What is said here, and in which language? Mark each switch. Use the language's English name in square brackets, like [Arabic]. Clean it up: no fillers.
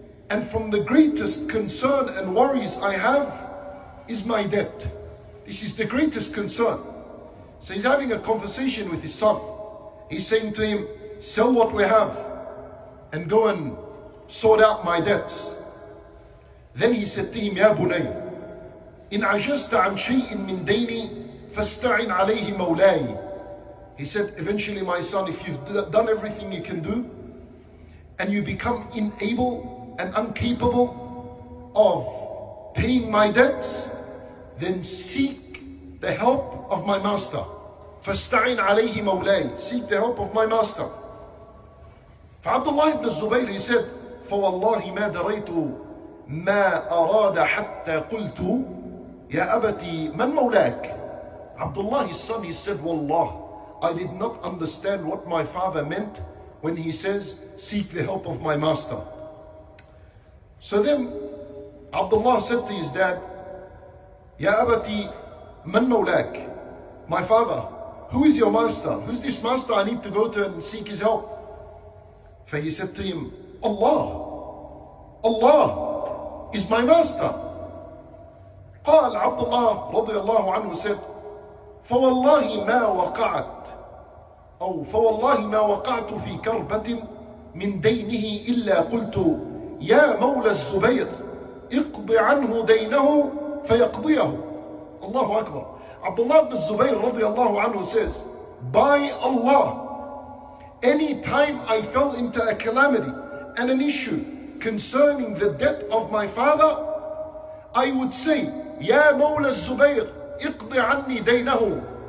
[English] And from the greatest concern and worries I have is my debt. This is the greatest concern. So he's having a conversation with his son. He's saying to him, sell what we have and go and sort out my debts. Then he said to him, [Arabic] Ya Bunay, إِنْ عَجَزْتَ عَنْ شَيْءٍ مِنْ دَيْنِي فَاسْتَعِنْ عَلَيْهِ مَوْلَايِ. [English] He said, eventually, my son, if you've done everything you can do and you become unable and incapable of paying my debts, then seek the help of my master. [Arabic] فَاسْتَعِنْ عَلَيْهِ مَوْلَايِ. [English] Seek the help of my master. [Arabic] Abdullah ibn Zubayr, [English] he said, [Arabic] فَوَاللَّهِ مَا دَرَيْتُ مَا أَرَادَ حَتَّى قُلْتُ يَا أَبَتِي مَنْ مَوْلَاكَ. [English] Abdullah's son, he said, Wallah, I did not understand what my father meant when he says, seek the help of my master. So then Abdullah said to his dad, [Arabic] Ya Abati, man mawlak? [English] My father, who is your master? Who's this master I need to go to and seek his help? For he said to him, Allah. Allah is my master. [Arabic] Qal Abdullah radiallahu anhu [English] said, [Arabic] فَوَاللَّهِ مَا وَقَعَتْ أو فَوَاللَّهِ مَا وَقَعْتُ فِي كَرْبَةٍ مِنْ دَيْنِهِ إِلَّا قُلْتُ يَا مَوْلَى الزُّبَيْرِ اقْضِ عَنْهُ دَيْنَهُ فَيَقْضِيَهُ. Allahu Akbar. [English] Abdullah ibn Zubayr radiallahu anhu says, by Allah, any time I fell into a calamity and an issue concerning the debt of my father, I would say, [Arabic] يَا مَوْلَى الزُّبَيْرِ اقْضِ عَنِّي دَيْنَهُ.